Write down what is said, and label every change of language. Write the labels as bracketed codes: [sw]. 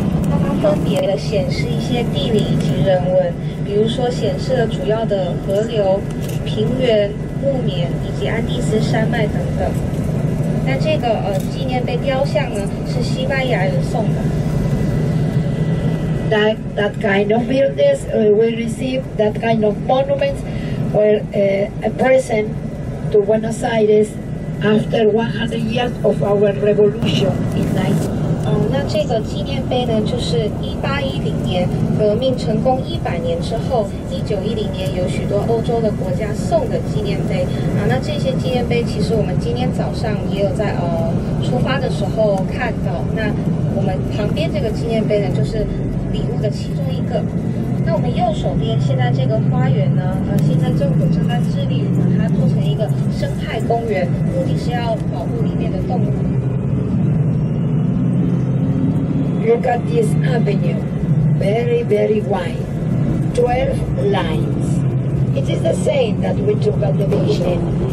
[zh] 它分别的显示一些地理以及人文，比如说显示了主要的河流、平原、木棉以及安第斯山脉等等。那这个纪念碑雕像呢，是西班牙人送的。 [en] That kind of buildings, we receive that kind of monuments a present to Buenos Aires after 100 years of our revolution in 1910. [zh] 那这个纪念碑呢，就是1810年革命成功100年之后，1910年有许多欧洲的国家送的纪念碑。那这些纪念碑其实我们今天早上也有在出发的时候看到。那我们旁边这个纪念碑呢，就是礼物的其中一个。那我们右手边现在这个花园呢，现在政府正在致力于把它做成一个生态公园，目的是要保护里面的动物。 [en] Look at this avenue, very very wide, 12 lines. It is the same that we took at the beginning.